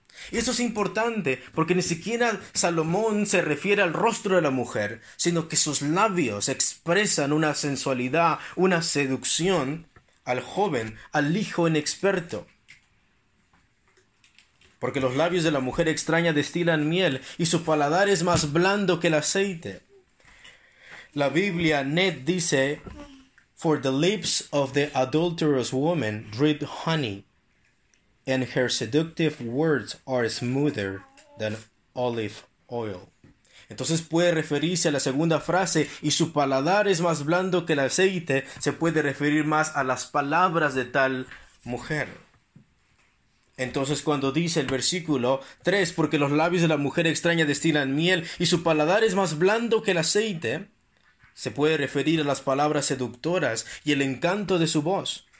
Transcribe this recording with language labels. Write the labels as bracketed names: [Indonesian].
[Spanish] Y eso es importante, porque ni siquiera Salomón se refiere al rostro de la mujer, sino que sus labios expresan una sensualidad, una seducción al joven, al hijo inexperto. Porque los labios de la mujer extraña destilan miel y su paladar es más blando que el aceite. La Biblia, NET, dice, [English] For the lips of the adulterous woman drip honey, and her seductive words are smoother than olive oil. [Spanish] Entonces puede referirse a la segunda frase, y su paladar es más blando que el aceite, se puede referir más a las palabras de tal mujer. Entonces cuando dice el versículo 3, porque los labios de la mujer extraña destilan miel, y su paladar es más blando que el aceite, se puede referir a las palabras seductoras y el encanto de su voz.